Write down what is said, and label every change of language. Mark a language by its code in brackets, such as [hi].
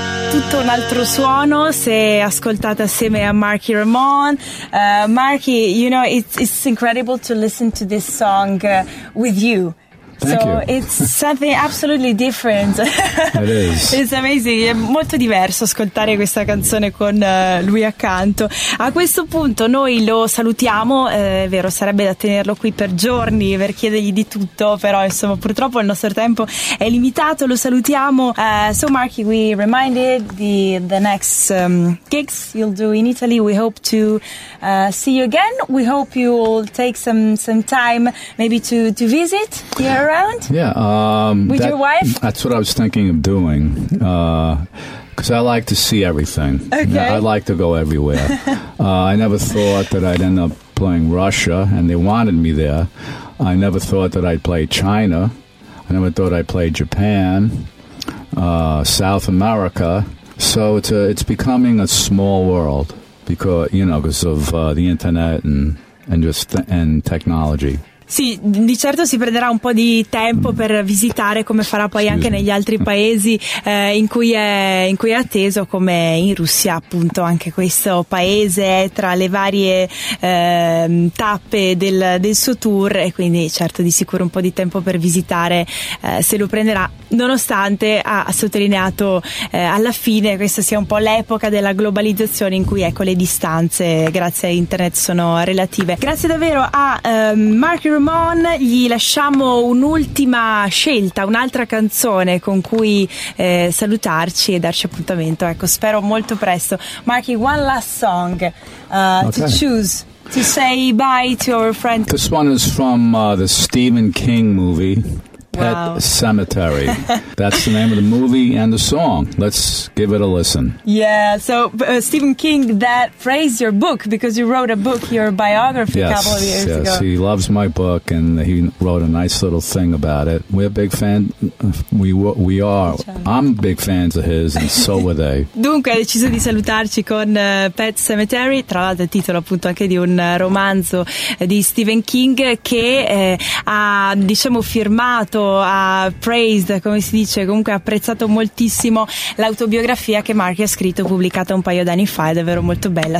[it] tutto un altro suono se ascoltate assieme a Marky Ramon. [en] Marky, you know, it's incredible to listen to this song with you. Thank you. It's something absolutely different. It is. It's amazing. [it] È molto diverso ascoltare questa canzone con lui accanto. A questo punto noi lo salutiamo, è vero, sarebbe da tenerlo qui per giorni per chiedergli di tutto, però insomma purtroppo il nostro tempo è limitato, lo salutiamo. [en] So Marky, we reminded the next gigs you'll do in Italy. We hope to see you again. We hope you'll take some time maybe to visit here around? Yeah. With your wife? That's what I was thinking of doing. Because I like to see everything. Okay. I like to go everywhere. I never thought that I'd end up playing Russia, and they wanted me there. I never thought that I'd play China. I never thought I'd play Japan, South America. So it's becoming a small world because of the internet and technology. [it] Sì, di certo si prenderà un po' di tempo per visitare, come farà poi anche negli altri paesi in cui è atteso, come in Russia appunto. Anche questo paese è tra le varie tappe del suo tour, e quindi certo di sicuro un po' di tempo per visitare se lo prenderà, nonostante ha sottolineato alla fine questa sia un po' l'epoca della globalizzazione in cui ecco le distanze grazie a internet sono relative. Grazie davvero a Mark Ramon, gli lasciamo un'ultima scelta, un'altra canzone con cui salutarci e darci appuntamento, ecco, spero molto presto. [en] Marky, one last song to choose, to say bye to our friends. This one is from the Stephen King movie, Pet Cemetery. That's the name of the movie and the song. Let's give it a listen. Yeah, so Stephen King, that phrase, your book, because you wrote a book, your biography, yes, a couple of years yes, ago. Yes, he loves my book, and he wrote a nice little thing about it. We're big fans. We are. I'm big fans of his, and so were they. [it] Dunque, ha deciso di salutarci con Pet Cemetery, tra l'altro il titolo appunto anche di un romanzo di Stephen King, che ha, diciamo, firmato, ha praised, come si dice, comunque ha apprezzato moltissimo l'autobiografia che Marky ha scritto, pubblicata un paio d'anni fa. È davvero molto bella.